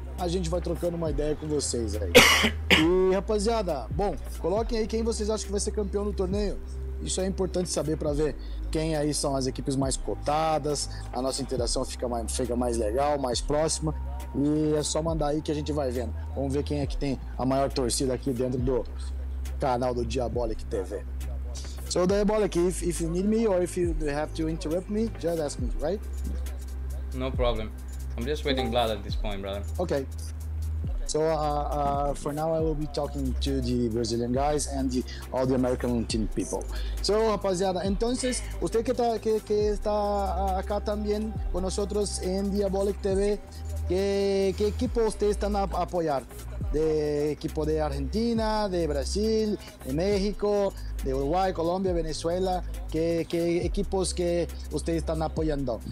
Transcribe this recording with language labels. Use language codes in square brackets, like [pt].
[pt] A gente vai trocando uma ideia com vocês aí. E, rapaziada, bom, coloquem aí quem vocês acham que vai ser campeão do torneio. Isso é importante saber para ver quem aí são as equipes mais cotadas. A nossa interação fica mais legal, mais próxima. E é só mandar aí que a gente vai vendo. Vamos ver quem é que tem a maior torcida aqui dentro do canal do Diabolik TV. [en] So Diabolik, if you need me or if you have to interrupt me, just ask me, right? No problem. I'm just waiting blood at this point, brother. Okay. So for now I will be talking to the Brazilian guys and all the American team people. [es] So rapaziada, entonces usted que está acá también con nosotros en Diabolik TV, ¿qué equipo usted está a apoyar? De equipo de Argentina, de Brasil, de México, de Uruguay, Colombia, Venezuela, ¿qué equipos que ustedes están apoyando?